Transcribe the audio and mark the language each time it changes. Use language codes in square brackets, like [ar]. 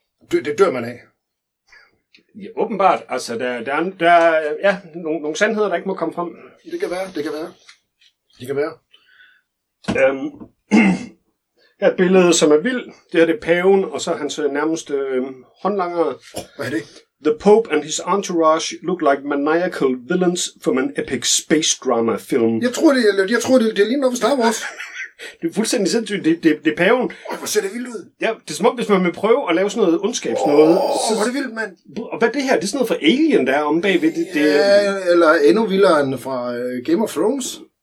[da] Det dør man af. Ja, åbenbart. Altså, der er ja, nogle sandheder, der ikke må komme frem. Det kan være, det kan være. Det kan være. Her er et billede, som er vildt. Det her det er paven, og så hans nærmeste håndlangere. Hvad er det? [en] The Pope and his entourage look like maniacal villains from an epic space drama film. [da] Jeg tror, det er lige noget for Star Wars. Det er fuldstændig sindssygt. Det er paven. Hvor ser det vildt ud? Ja, det er som om, hvis man vil prøve at lave sådan noget ondskabsnåde. Hvor er det vildt, mand. Og hvad er det her? Det er sådan noget fra Alien, der er omme bagved. Det ja, eller endnu vildere end fra Game of Thrones.